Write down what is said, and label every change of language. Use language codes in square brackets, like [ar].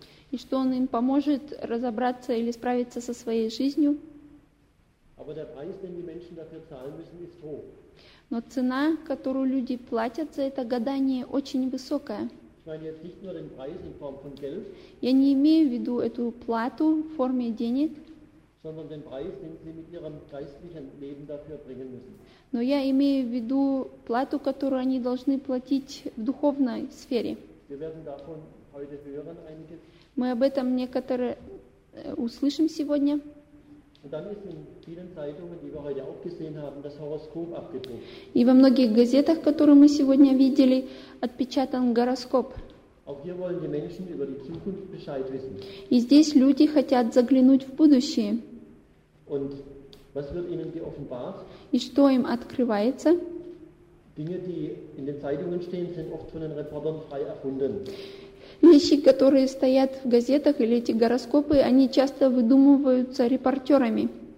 [ru] И что он им поможет разобраться или справиться со своей жизнью. [de] Aber der Preis, den die Menschen dafür zahlen müssen, ist hoch. [ru] Но цена, которую люди платят за это гадание, очень высокая. [de] Ich meine jetzt nicht nur den Preis in Form von Geld, [ru] я не имею в виду эту плату в форме денег, [de] sondern den Preis, den sie mit ihrem geistlichen Leben dafür bringen müssen. [ru] Но я имею в виду плату, которую они должны платить в духовной сфере. [de] Wir werden davon heute hören, einiges. [ru] Мы об этом некоторые услышим сегодня. [de] Und dann ist in vielen Zeitungen, die wir heute auch gesehen haben, das Horoskop abgedruckt. [ru] И во многих газетах, которые мы сегодня видели, отпечатан гороскоп. [de] Auch hier wollen die Menschen über die Zukunft Bescheid wissen. [ru] И здесь люди хотят заглянуть в будущее. [de] Und was wird ihnen geoffenbart? [ru] И что им открывается? [de] Dinge, die in den Zeitungen stehen, sind oft von den Reportern frei erfunden. [ru] Вещи, которые стоят в газетах или эти гороскопы, они часто выдумываются репортерами.